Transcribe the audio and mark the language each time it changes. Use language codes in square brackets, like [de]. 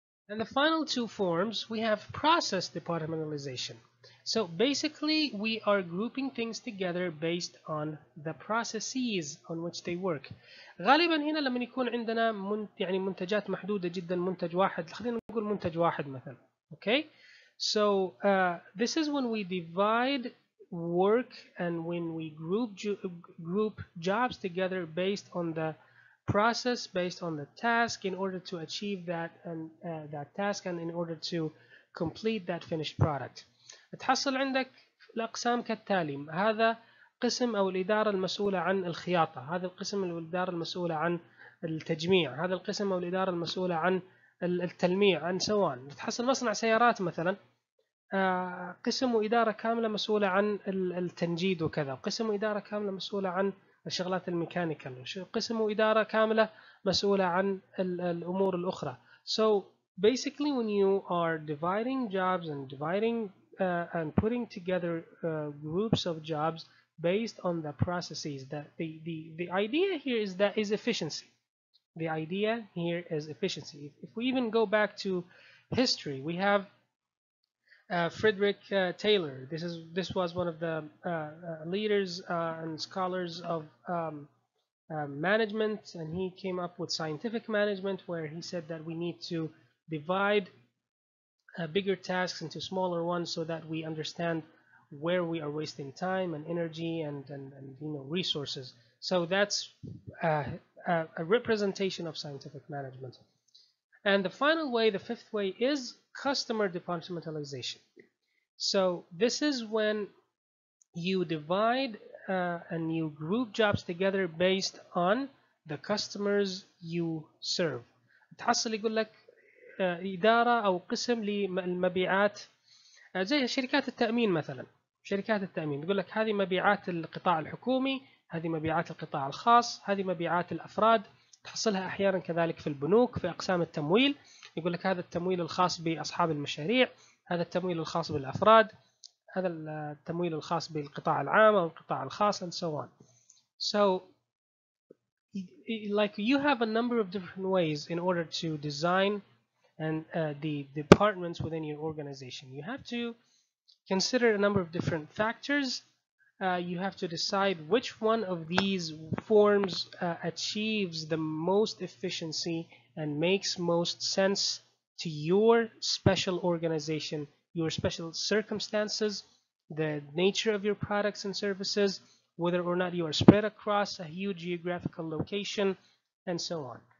[en] And the final two forms, we have process departmentalization. So basically, we are grouping things together based on the processes on which they work. [ar] غالبا هنا لما يكون عندنا يعني منتجات محدودة جدا منتج واحد خلينا نقول منتج واحد مثلا. [en] Okay? So this is when we divide work and when we group jobs together based on the process, based on the task, in order to achieve that and that task, and in order to complete that finished product. [ar] تحصل عندك الأقسام كالتالي. هذا قسم أو الإدارة المسؤولة عن الخياطة. هذا القسم أو الإدارة المسؤولة عن التجميع. هذا القسم أو الإدارة المسؤولة عن التلميع. عن سوان. تحصل مصنع سيارات مثلاً. قسم وإدارة كاملة مسؤولة عن التنجيد وكذا. قسم وإدارة كاملة مسؤولة عن الشغلات الميكانيكال قسم وإدارة كاملة مسؤولة عن الأمور الأخرى. [en] So basically when you are dividing jobs and dividing and putting together groups of jobs based on the processes, that the idea here is that is efficiency. The idea here is efficiency. If we even go back to history, we have Frederick Taylor. This was one of the leaders and scholars of management, and he came up with scientific management, where he said that we need to divide bigger tasks into smaller ones so that we understand where we are wasting time and energy and you know resources. So that's a representation of scientific management. And the final way, the fifth way, is customer departmentalization. So this is when you divide and you group jobs together based on the customers you serve. [ar] تحصل يقول لك إدارة أو قسم للمبيعات زي شركات التأمين مثلا. شركات التأمين يقول لك هذه مبيعات القطاع الحكومي, هذه مبيعات القطاع الخاص, هذه مبيعات الأفراد. تحصلها احيانا كذلك في البنوك في اقسام التمويل يقول لك هذا التمويل الخاص باصحاب المشاريع, هذا التمويل الخاص بالافراد, هذا التمويل الخاص بالقطاع العام او القطاع الخاص [en] and so on. So like you have a number of different ways in order to design and the departments within your organization. You have to consider a number of different factors. You have to decide which one of these forms achieves the most efficiency and makes most sense to your special organization, your special circumstances, the nature of your products and services, whether or not you are spread across a huge geographical location, and so on.